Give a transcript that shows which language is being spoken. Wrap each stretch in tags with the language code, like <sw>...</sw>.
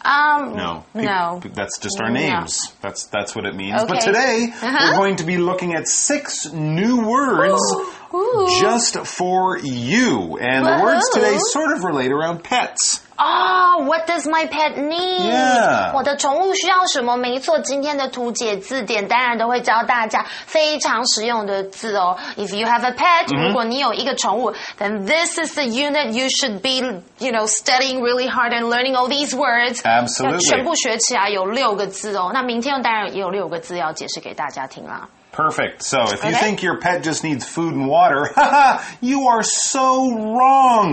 <en>No. That's just our names. No. That's what it means. Okay. But today, we're going to be looking at six new words. Ooh. Just for you. And Woo-hoo. The words today sort of relate around pets. Oh, what does my pet need? Yeah.</en> <zh>我的宠物需要什么？没错，今天的图解字典当然都会教大家非常实用的字哦。</zh> <en>If you have a pet,、mm-hmm.</en> <zh>如果你有一个宠物</zh> <en>then this is the unit you should be, you know, studying really hard and learning all these words. Absolutely.</en> <zh>全部学起来有六个字哦。那明天当然也有六个字要解释给大家听啦。</zh> <en>Perfect. So if you think your pet just needs food and water, you are so wrong.</en>